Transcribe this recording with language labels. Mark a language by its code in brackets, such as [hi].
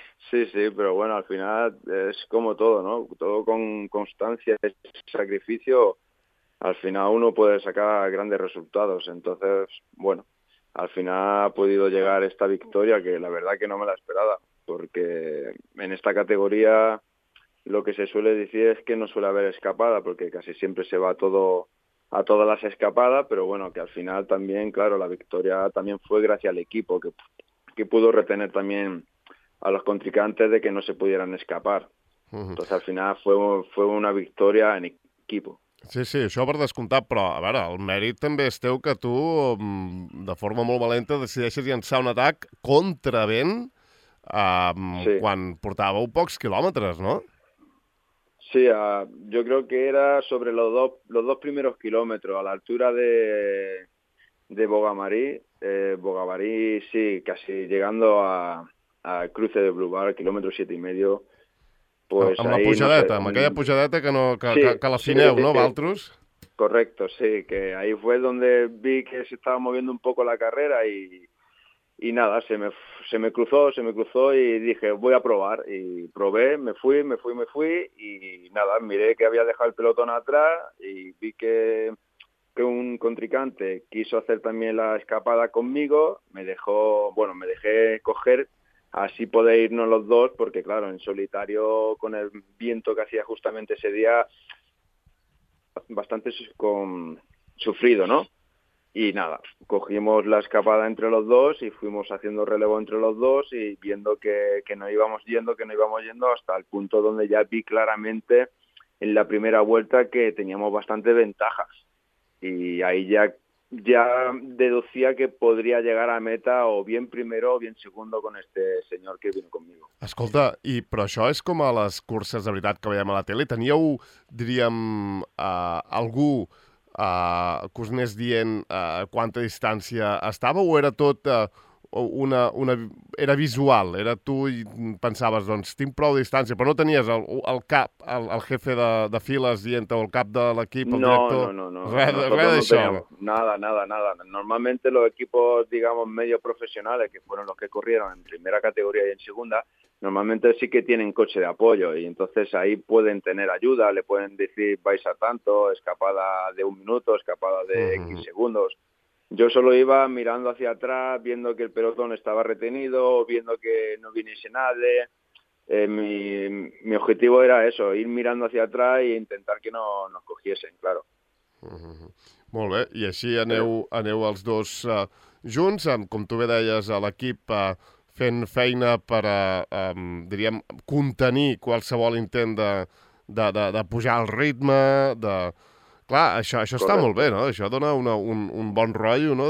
[ca] Sí, però bueno, al final és com tot, no? [es] Tot con constància i sacrifici, al final uno puede sacar grandes resultados. Entonces, bueno, al final ha podido llegar esta victòria, que la verdad que no me la esperaba, porque en esta categoría lo que se suele decir es que no suele haber escapada, porque casi siempre se va todo a todas las escapadas, pero bueno, que al final también, claro, la victoria también fue gracias al equipo, que pudo retener también a los contrincantes de que no se pudieran escapar. Entonces al final fue una victoria en equipo. [ca] Sí, això per descomptat, però a veure, el mèrit també és teu, que tu de forma molt valenta decideixes llançar un atac contra vent quan portàveu pocs quilòmetres, no? [es] Sí, yo creo que era sobre los dos primeros kilómetros, a la altura de Bogamarí. Bogamarí, sí, casi llegando a cruce de Blubar, kilómetro 7.5. Pues [ca] amb la pujadeta, no sé, amb aquella pujadeta que, no, que, sí, que la fineu, sí, no, Valtros? [es] Correcto, sí, que ahí fue donde vi que se estaba moviendo un poco la carrera y nada, se me cruzó y dije, voy a probar, y probé, me fui, y nada, miré que había dejado el pelotón atrás, y vi que un contrincante quiso hacer también la escapada conmigo, me dejé coger, así poder irnos los dos, porque claro, en solitario, con el viento que hacía justamente ese día, bastante sufrido, ¿no? Y nada, cogimos la escapada entre los dos y fuimos haciendo relevo entre los dos y viendo que no íbamos yendo, hasta el punto donde ya vi claramente en la primera vuelta que teníamos bastantes ventajas. Y ahí ya deducía que podría llegar a meta o bien primero o bien segundo con este señor que vino conmigo. [ca] Escolta, i però això és com a les curses de veritat que veiem a la tele. Teníeu, diríem, algú que us anés dient quanta distància estava o era tot era visual? Era tu i pensaves, doncs, tinc prou distància, però no tenies el cap, el jefe de files dient o el cap de l'equip, el director? No. Res d'això. Nada. [es] Normalmente los equipos, digamos, medio profesionales, que fueron los que corrieron en primera categoría y en segunda, normalmente sí que tienen coche de apoyo y entonces ahí pueden tener ayuda, le pueden decir vais a tanto, escapada de un minuto, escapada de X segundos. Yo solo iba mirando hacia atrás, viendo que el pelotón estaba retenido, viendo que no viniese nadie. Mi objetivo era eso, ir mirando hacia atrás e intentar que no nos cogiesen, claro. [ca] Molt bé, i així aneu els dos junts, amb, com tu bé deies, a l'equip fent feina per, diríem, contenir qualsevol intent de pujar el ritme, de... Clar, això està molt bé, no? Això dona un bon rotllo, no?